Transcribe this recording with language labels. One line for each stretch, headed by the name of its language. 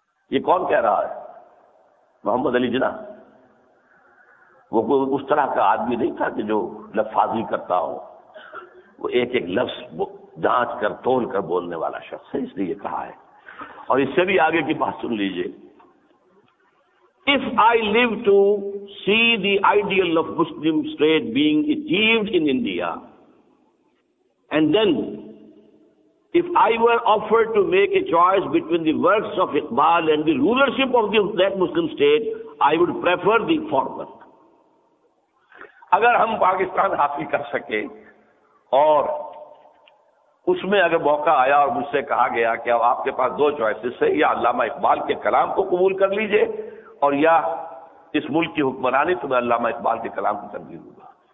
Urdu: یہ کون کہہ رہا ہے؟ محمد علی جناح. وہ کوئی اس طرح کا آدمی نہیں تھا کہ جو لفاظی کرتا ہو, وہ ایک ایک لفظ جانچ کر تول کر بولنے والا شخص ہے, اس لیے کہا ہے. اور اس سے بھی آگے کی بات سن لیجئے.
English: If I live to see the ideal of Muslim state being achieved in India, and then if I were offered to make a choice between the works of Iqbal and the rulership of that Muslim state, I would prefer the former.
Urdu: اگر ہم پاکستان حاصل کر سکے اور اس میں اگر موقع آیا اور مجھ سے کہا گیا کہ اب آپ کے پاس دو چوائسز ہیں, یا علامہ اقبال کے کلام کو قبول کر لیجئے اور یا اس ملک کی حکمرانی تو میں علامہ اقبال کے کلام کو ترجیح دوں گا.